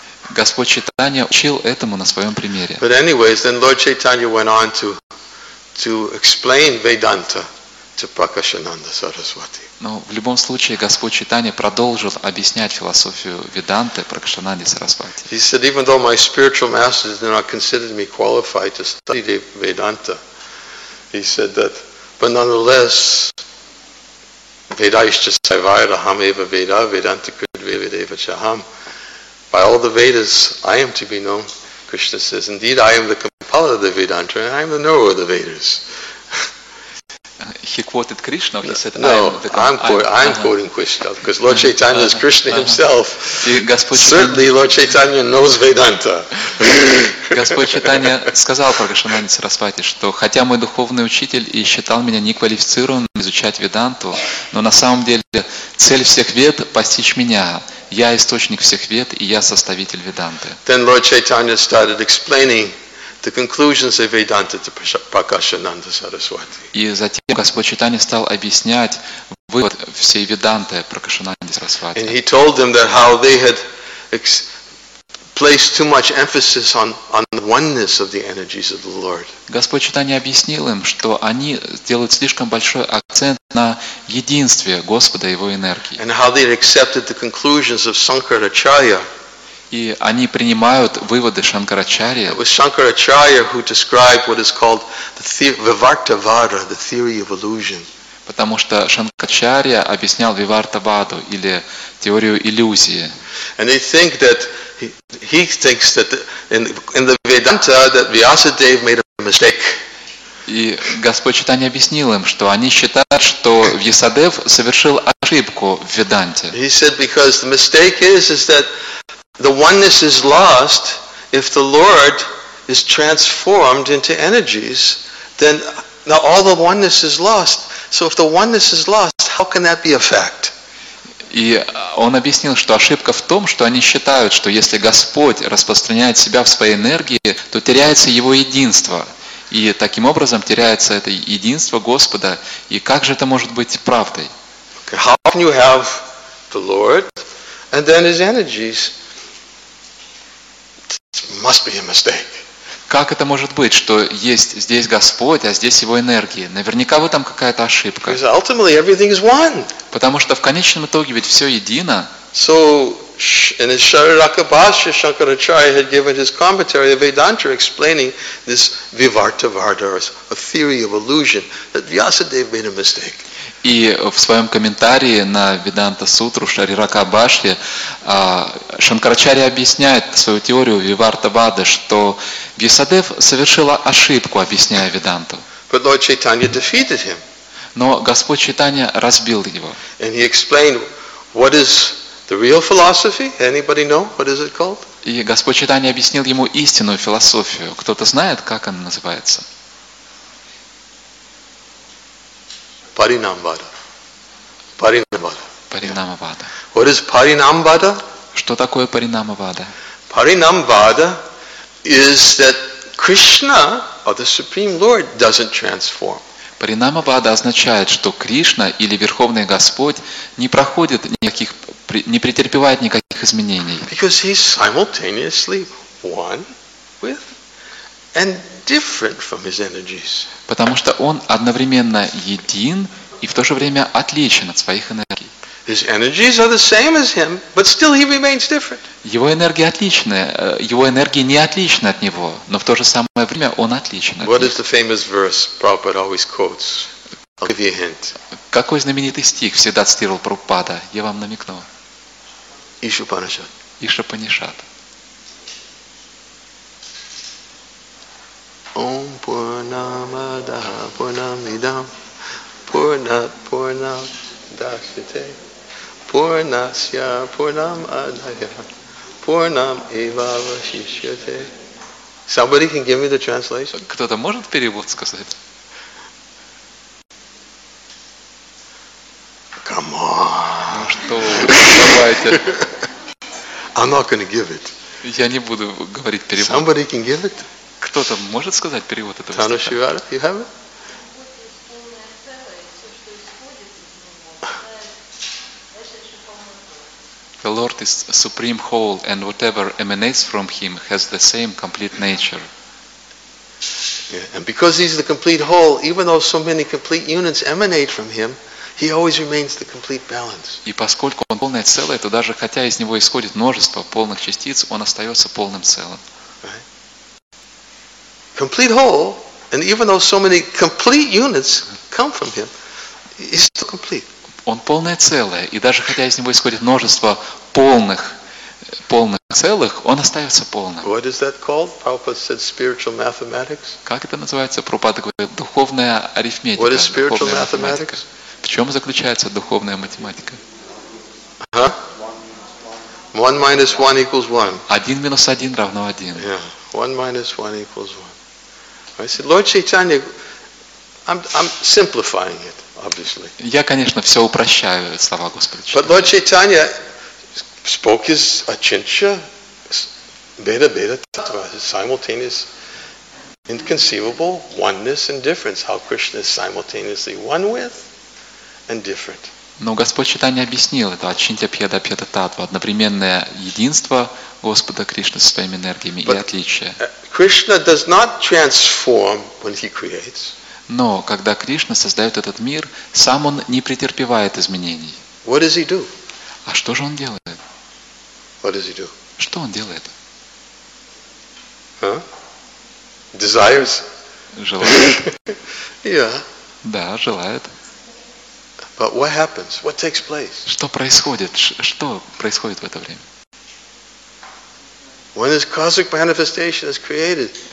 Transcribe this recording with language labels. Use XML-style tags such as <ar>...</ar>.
<ru>Господь Чайтанья учил этому на своем примере.</ru> <en>But anyways, then Lord Chaitanya went on to explain Vedanta to Prakashananda Saraswati.</en> <ru>Но в любом случае Господь Чайтанья продолжил объяснять философию Веданты Пракшананде Сарасвати.</ru> <en>He said, even though my spiritual masters do not consider me qualified to study the Vedanta, he said that, but nonetheless,</en> <sa>Vedaischa Saivaira Hameva Veda, Vedanta Kridve Vedeva Chaham.</sa> <en>By all the Vedas I am to be known, Krishna says, indeed I am the compiler of the Vedanta and I am the knower of the Vedas. He quoted Krishna. He said, "No, I'm quoting Krishna because Lord Chaitanya is Krishna himself. Certainly, Lord Chaitanya knows Vedanta."</en> <ru>Господь Чайтанья сказал про Кашананде Сарасвати, что хотя мой духовный учитель и считал меня неквалифицированным изучать Веданту, но на самом деле цель всех Вед — постичь меня. Я источник всех Вед и я составитель Веданты.</ru> <en>Then Lord Chaitanya started explaining the conclusions of Vedanta to Prakashananda Saraswati.</en> <ru>И затем Господь Чайтанья стал объяснять вывод всей Веданты Прокашананде Сарасвати.</ru> <en>And he told them that how they had placed too much emphasis on the oneness of the energies of the Lord.</en> <ru>Господь Чайтанья объяснил им, что они делают слишком большой акцент на единстве Господа и его энергии.</ru> <en>And how they had accepted the conclusions of Shankaracharya.</en> <ru>И они принимают выводы Шанкарачарьи.</ru> <en>It was Shankaracharya who described what is called the Vivartavada, the theory of illusion.</en> <ru>Потому что Шанкарачарья объяснял Вивартаваду или теорию иллюзии.</ru> <en>And they think that he thinks that in the Vedanta that Vyasadeva made a mistake.</en> <ru>И Господь Чайтанья объяснил им, что они считают, что Вьясадев совершил ошибку в Веданте.</ru> <en>He said because the mistake is that the oneness is lost if the Lord is transformed into energies. Then now all the oneness is lost. So if the oneness is lost, how can that be a fact?</en> <ru>И он объяснил, что ошибка в том, что они считают, что если Господь распространяет себя в своей энергии, то теряется его единство. И таким образом теряется это единство Господа. И как же это может быть правдой?</ru> <en>Okay, how can you have the Lord and then his energies? Must be a mistake.</en> <ru>Как это может быть, что есть здесь Господь, а здесь Его энергии? Наверняка в этом какая-то ошибка.</ru> <en>Because ultimately everything is one.</en> <ru>Потому что в конечном итоге ведь все едино.</ru> <en>So in his Shararaka Bhashya, Shankaracharya had given his commentary of Vedanta, explaining this Vivartavada, a theory of illusion, that Vyasadeva made a mistake.</en> <ru>И в своем комментарии на Веданта Сутру Шарирака Бхашья Шанкарачарья объясняет свою теорию Вивартавады, что Вьясадев совершила ошибку, объясняя Веданту.</ru> <en>But Lord Chaitanya defeated him.</en> <ru>Но Господь Чайтанья разбил его.</ru> <en>And he explained what is the real philosophy. Anybody know what is it called?</en> <ru>И Господь Чайтанья объяснил ему истинную философию. Кто-то знает, как она называется? Паринамвада.</ru> <en>What is Паринамвада?</en> <ru>Что такое Паринамвада?</ru> <en>Паринамвада is that Krishna, or the Supreme Lord, doesn't transform.</en> <ru>Паринама-вада означает, что Кришна или Верховный Господь не проходит никаких, не претерпевает никаких изменений.</ru> <en>Because he's simultaneously one with and different from his energies.</en> <ru>Потому что он одновременно един и в то же время отличен от своих энергий.</ru> <en>His energies are the same as him, but still he remains different.</en> <ru>Его энергия отличная, его энергия не отлична от него, но в то же самое время он отличен от него.</ru> <en>What is the famous verse Prabhupada always quotes? I'll give you a hint.</en> <ru>Какой знаменитый стих всегда цитировал Прабхупада? Я вам намекну. Ишупанишад. Ишупанишад.</ru> <sa>Ом Пурнамадаха Пурнамидам Пурнат Пурнам Дашите. Пурнасья Пурнам Адая Пурнам Ивавашишьяте.</sa> <en>Somebody can give me the translation?</en> <ru>Кто-то может перевод сказать?</ru> <en>Come on.</en> <ru>Ну что вы, давайте.</ru> <en>I'm not gonna give it.</en> <ru>Я не буду говорить перевод.</ru> <en>Somebody can give it?</en> <ru>Кто-то может сказать перевод этого стиха?</ru> <en>Танушивара, you have it? The Lord is a supreme whole and whatever emanates from him has the same complete nature. Yeah, and because he's the complete whole, even though so many complete units emanate from him, he always remains the complete balance.</en> <ru>И поскольку он полное целое, то даже хотя из него исходит множество полных частиц, он остается полным целым.</ru> <en>Right. Complete whole, and even though so many complete units come from him, he's still complete.</en> <ru>Он полное целое, и даже хотя из него исходит множество полных целых, он остается полным.</ru> <en>What is that called? Prabhupada said spiritual mathematics.</en> <ru>Как это называется? Прабхупада говорит, духовная арифметика.</ru> <en>What is spiritual mathematics?</en> <ru>В чем заключается духовная математика?</ru> <en>Huh? One minus one equals one.</en> <ru>Один минус один равно один.</ru> <en>Yeah. One minus one equals one. I said, Lord Chaitanya, I'm simplifying it. Obviously.</en> <ru>Я, конечно, все упрощаю слова Господа.</ru> <en>But Lord Chaitanya spoke his achincha, beta tattva, his simultaneous, inconceivable oneness and difference. How Krishna is simultaneously one with and different.</en> <ru>Но Господь Чайтанья объяснил это ачинтья пьеда пьеда таттва, одновременное единство Господа Кришны со своими энергиями и отличие.</ru> <en>Krishna does not transform when he creates.</en> <ru>Но когда Кришна создает этот мир, сам он не претерпевает изменений.</ru> <en>What does he do?</en> <ru>А что же он делает?</ru> <en>What does he do?</en> <ru>Что он делает?</ru> <en>Huh? Desires?</en> <ru>Желает.</ru> <en>Yeah.</en> <ru>Да, желает. But what happens? What takes place? Что происходит? Что происходит в это время?</ru> <en>When is cosmic manifestation is created?</en>